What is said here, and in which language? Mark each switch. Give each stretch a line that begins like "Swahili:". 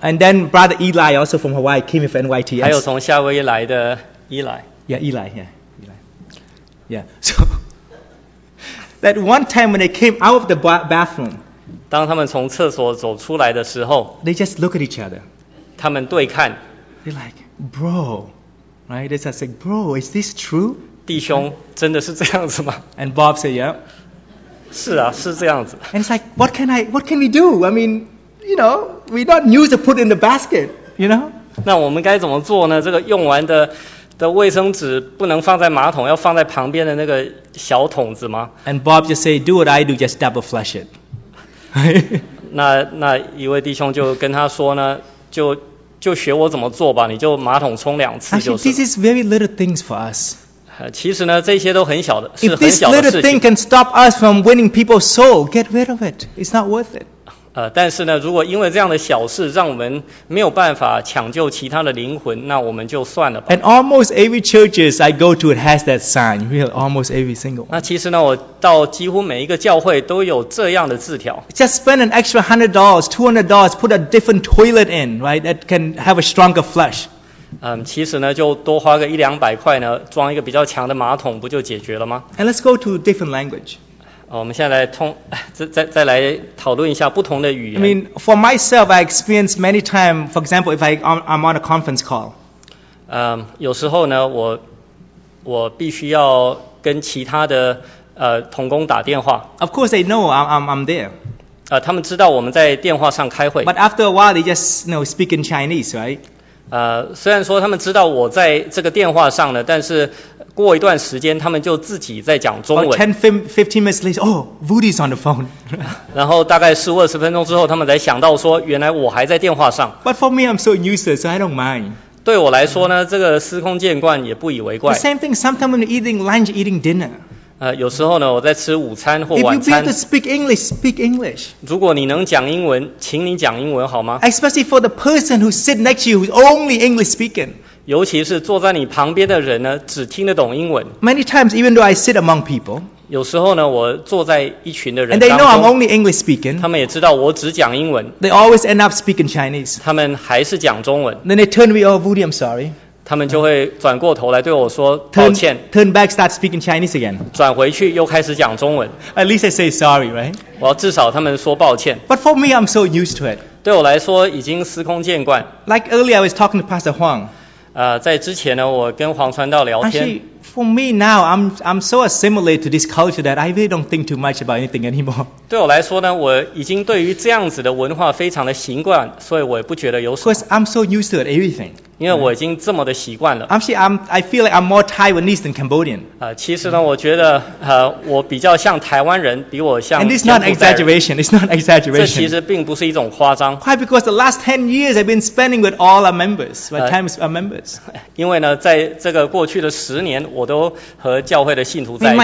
English: And then Brother Eli also from Hawaii came from NYTS.
Chinese: 还有从夏威夷来的 Eli.
English: Yeah, Eli, yeah. Yeah, so that one time when they came out of the bathroom,
Chinese: 当他们从厕所走出来的时候
English: ，they just look at each other.
Chinese: 他们对看
English: ，they're like, bro, right? They just say, bro, is this true?
Chinese: 弟兄，真的是这样子吗
English: ？And Bob said, yeah.
Chinese: 是啊，是这样子。
English: And it's like, what can we do? I mean, you know, we're not new to put in the basket, you know?
Chinese: 那我们该怎么做呢？这个用完的。的卫生纸不能放在马桶，要放在旁边的那个小桶子吗
English: ？And Bob just say, "Do what I do, just double flush it."
Chinese: 那一位弟兄就跟他说呢，就学我怎么做吧，你就马桶冲两次就是。
English: Actually, this is very little things for us.
Chinese: 其实呢，这些都很小的，是很小的事情。
English: If this little thing can stop us from winning people's soul, get rid of it. It's not worth it.
Chinese: 但是呢，如果因为这样的小事让我们没有办法抢救其他的灵魂，那我们就算了吧。
English: And almost every churches I go to, it has that sign. Really, almost every single.
Chinese: 那其实呢，我到几乎每一个教会都有这样的字条。
English: Just spend an extra $100, $200, put a different toilet in, right? That can have a stronger flush.
Chinese: 其实呢，就多花个一两百块呢，装一个比较强的马桶，不就解决了吗
English: ？And let's go to different language.
Chinese: 我们现在来再来讨论一下不同的语言。
English: I mean, for myself, I experience many times, for example, if I'm on a conference call.
Chinese: 有时候呢，我必须要跟其他的同工打电话。
English: Of course, they know I'm there.
Chinese: 他们知道我们在电话上开会。
English: But after a while, they just, you know, speak in Chinese, right?
Chinese: 虽然说他们知道我在这个电话上呢，但是过一段时间，他们就自己在讲中文。
English: 10-15 minutes later, oh, Woody's on the phone.
Chinese: 然后大概15-20分钟之后，他们才想到说，原来我还在电话上。
English: But for me, I'm so useless, so I don't mind.
Chinese: 对我来说呢，这个司空见惯，也不以为怪。
English: The same thing, sometimes when eating lunch, eating dinner.
Chinese: 有时候呢，我在吃午餐或晚餐。
English: If you be able to speak English, speak English.
Chinese: 如果你能讲英文，请你讲英文好吗
English: ？Especially for the person who sit next to you, who's only English speaking.
Chinese: 尤其是坐在你旁边的人呢，只听得懂英文。
English: Many times, even though I sit among people,
Chinese: 有时候呢，我坐在一群的人当中。
English: And they know I'm only English speaking.
Chinese: 他们也知道我只讲英文。
English: They always end up speaking Chinese.
Chinese: 他们还是讲中文。
English: Then they turn me over, Woody, I'm sorry.
Chinese: 他们就会转过头来对我说抱歉。
English: Turn back, start speaking Chinese again.
Chinese: 转回去又开始讲中文。
English: At least they say sorry, right?
Chinese: 我至少他们说抱歉。
English: But for me, I'm so used to it.
Chinese: 对我来说已经司空见惯。
English: Like earlier, I was talking to Pastor Huang.
Chinese: 在之前呢，我跟黄传道聊天。
English: Actually, for me now, I'm so assimilated to this culture that I really don't think too much about anything anymore.
Chinese: 对我来说呢，我已经对于这样子的文化非常的习惯，所以我也不觉得有什么。
English: Because I'm so used to everything.
Chinese: 因为我已经这么的习惯了。
English: Actually, I feel like I'm more Taiwanese than Cambodian.
Chinese: 其实呢，我觉得我比较像台湾人，比我像。
English: And it's not exaggeration. It's not exaggeration.
Chinese: 这其实并不是一种夸张。
English: Why? Because the last 10 years I've been spending with all our members, my time with our members.
Chinese: 因为呢，在这个过去的十年。我都和教会的信徒在一起。